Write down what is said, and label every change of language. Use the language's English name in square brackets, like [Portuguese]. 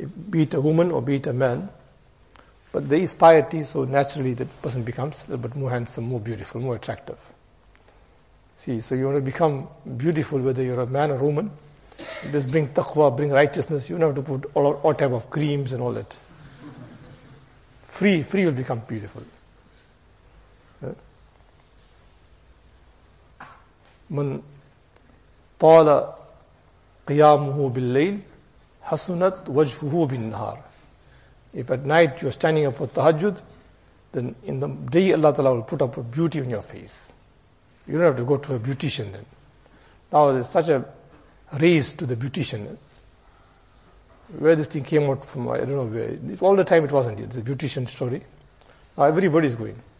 [English] Be it a woman or be it a man, but there is piety, so naturally that person becomes a little bit more handsome, more beautiful, more attractive. See, so you want to become beautiful whether you're a man or woman. Just bring taqwa, bring righteousness. You don't have to put all type of creams and all that. Free will become beautiful. [Arabic] من طال قيامه بالليل حسنت وجهه بالنهار. [English] If at night you are standing up for tahajjud, then in the day Allah Ta'ala will put up a beauty on your face. You don't have to go to a beautician then. Now there's such a race to the beautician. Where this thing came out from, I don't know where. All the time it wasn't here. It's a beautician story. Now everybody is going.